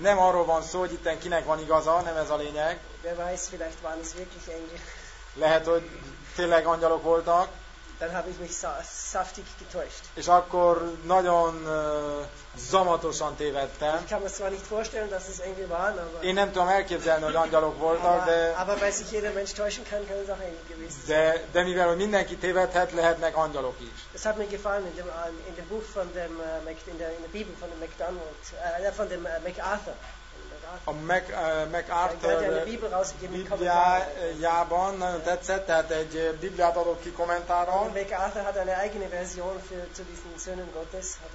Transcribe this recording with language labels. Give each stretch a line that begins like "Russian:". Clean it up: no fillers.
Hungarian: Nem arról van szó, hogy itten kinek van igaza, nem ez a lényeg.
German: Wer weiß, vielleicht waren es wirklich Engel.
Hungarian: Lehet, hogy tényleg angyalok voltak.
German: Dann habe ich mich saftig getäuscht.
Hungarian: És akkor nagyon zamatosan tévedtem.
German: Ich kann mir zwar nicht vorstellen, dass es Engel waren, aber
Hungarian: én nem tudom elképzelni, hogy angyalok voltak, de
German: aber weil sich jeder Mensch täuschen kann, kann es auch Engel gewesen sein.
Hungarian: De mivel mindenki tévedhet, lehetnek angyalok is.
German: Es hat mir gefallen in dem Buch von dem in der Bibel von dem McDonald, von dem MacArthur.
Hungarian: A MacArthur Bibliájában nagyon tetszett, tehát egy Bibliát adott ki kommentáron.
German: MacArthur hat eine eigene Version für zu diesen Söhnen Gottes.